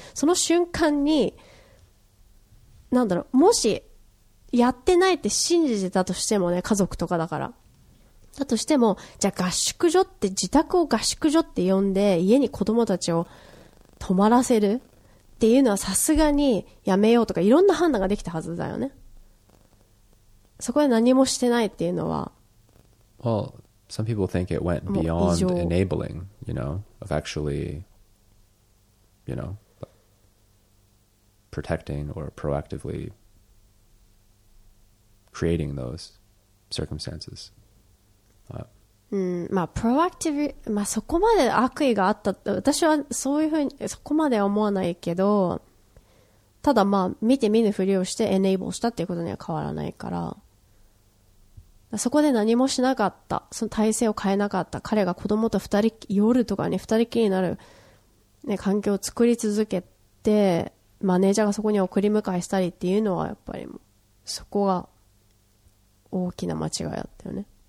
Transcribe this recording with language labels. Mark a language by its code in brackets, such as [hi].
[ja] その瞬間に、なんだろう、もしやってないって信じてたとしてもね、家族とかだからだとしても、じゃあ合宿所って、自宅を合宿所って呼んで家に子供たちを泊まらせるっていうのはさすがにやめようとか、いろんな判断ができたはずだよね。そこで何もしてないっていうのは、 [en] well, some people think it went beyond enabling, you know, of actually, you know, protecting or proactively creating those circumstances. [ja] まあ、proactive、まあ、そこまで悪意があった、私はそういうふうに、そこまでは思わないけど、ただまあ、見て見ぬふりをして enable したっていうことには変わらないから、そこで何もしなかった、その体制を変えなかった、彼が子供と二人夜とかに二人きりになる、ね、環境を作り続けてマネージャーがそこに送り迎えしたりっていうのは、やっぱりそこが大きな間違いだったよね。